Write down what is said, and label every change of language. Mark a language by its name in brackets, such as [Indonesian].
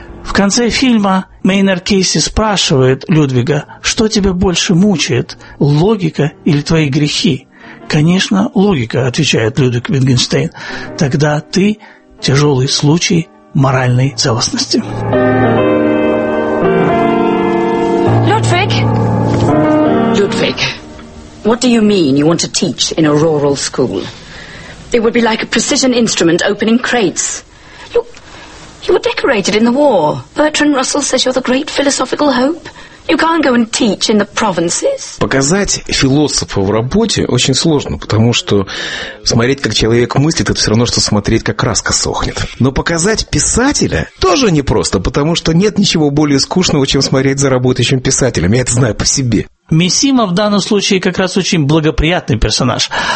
[Russian] В конце фильма Мейнард Кейси спрашивает Людвига, что тебя больше мучает, логика или твои грехи? Конечно, логика, отвечает Людвиг Витгенштейн. Тогда ты тяжелый случай моральной целостности. Людвиг! [English] Людвиг, what do you mean you want to teach in a rural school? It would be like a precision instrument opening crates. You were decorated in the war. Bertrand Russell says you're the great philosophical hope. You can't go and teach in the provinces. [Russian] Показать философа в работе очень сложно, потому что смотреть, как человек мыслит, это все равно, что смотреть, как краска сохнет. Но показать писателя тоже непросто, потому что нет ничего более скучного, чем смотреть за работающим писателем. Я это знаю по себе. Мисима в данном случае как раз очень благоприятный персонаж.